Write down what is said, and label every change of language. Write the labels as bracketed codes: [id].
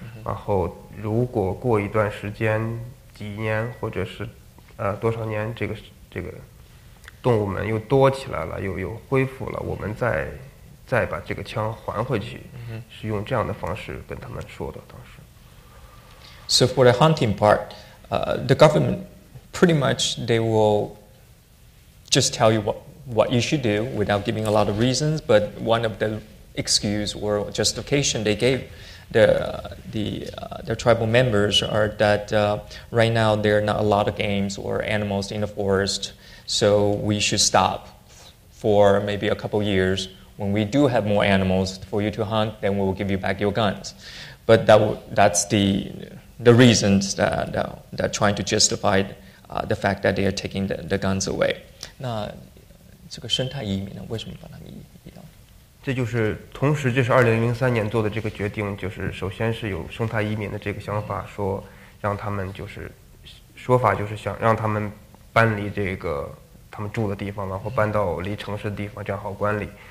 [zh] 然后，如果过一段时间，几年或者是多少年，这个动物们又多起来了，又恢复了，我们再把这个枪还回去。是用这样的方式跟他们说的。当时 [en] ，So for the hunting part, the government pretty much they will just tell you what you should do without giving a lot of reasons, but one of the excuse or justification they gave the tribal members are that right now there are not a lot of games or animals in the forest, so we should stop for maybe a couple years. When we do have more animals for you to hunt, then we will give you back your guns. But that's the reasons that trying to justify the fact that they are taking the guns away. [zh] 那这个生态移民呢，为什么把它移掉？这就是同时，这是2003年做的这个决定，就是首先是有生态移民的这个想法，说让他们就是说法就是想让他们搬离这个他们住的地方，然后搬到离城市的地方，这样好管理。